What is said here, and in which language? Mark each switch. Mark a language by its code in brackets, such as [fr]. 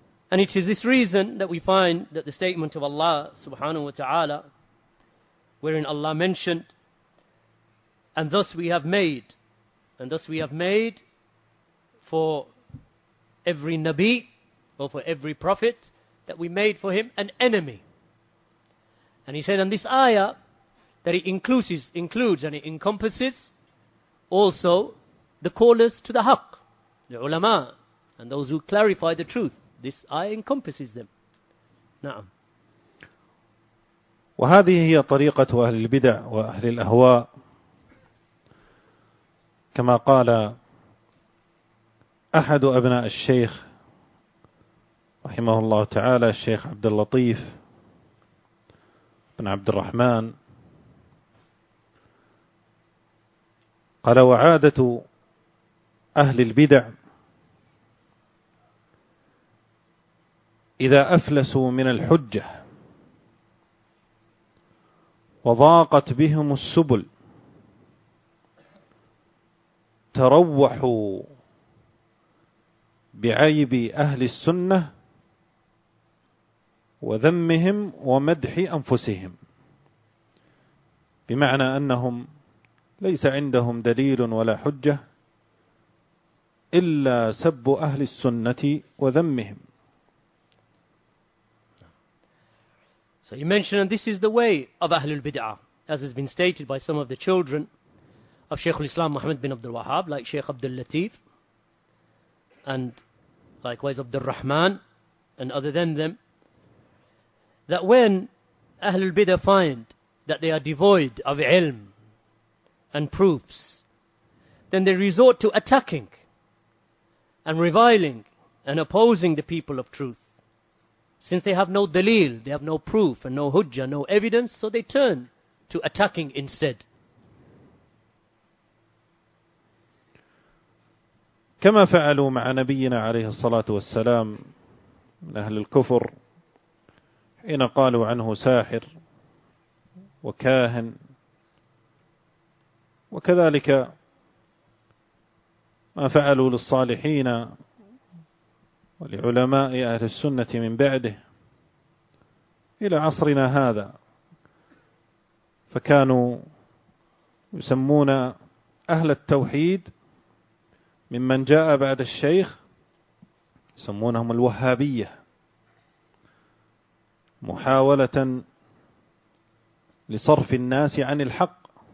[en] And it is this reason that we find that the statement of Allah subhanahu wa ta'ala, wherein Allah mentioned, and thus we have made, and thus we have made for every Nabi, or for every Prophet, that we made for him an enemy. And he said, and this ayah, that it includes and it encompasses also the callers to the haqq, the ulama, and those who clarify the truth. This ayah encompasses them. [ar] Na'am. وهذه هي طريقة أهل البدع وأهل الأهواء، كما قال أحد أبناء الشيخ رحمه الله تعالى الشيخ عبد اللطيف بن عبد الرحمن، قال: وعادة أهل البدع إذا أفلسوا من الحجة وضاقت بهم السبل تروحوا بعيب أهل السنة وذمهم ومدح أنفسهم، بمعنى أنهم ليس عندهم دليل ولا حجة إلا سب أهل السنة وذمهم. [en] So you mentioned, and this is the way of Ahlul Bid'ah, as has been stated by some of the children of Shaykh al-Islam Muhammad bin Abdul Wahhab, like Shaykh Abdul Latif, and likewise Abdul Rahman, and other than them, that when Ahlul Bid'ah find that they are devoid of ilm, and proofs. Then they resort to attacking and reviling and opposing the people of truth. Since they have no dalil, they have no proof and no hujjah, no evidence, so they turn to attacking instead. [ar] كما فعلوا مع نبينا عليه الصلاة والسلام من أهل الكفر حين قالوا عنه ساحر وكاهن، وكذلك ما فعلوا للصالحين ولعلماء أهل السنة من بعده إلى عصرنا هذا، فكانوا يسمون أهل التوحيد ممن جاء بعد الشيخ يسمونهم الوهابية، محاولة لصرف الناس عن الحق.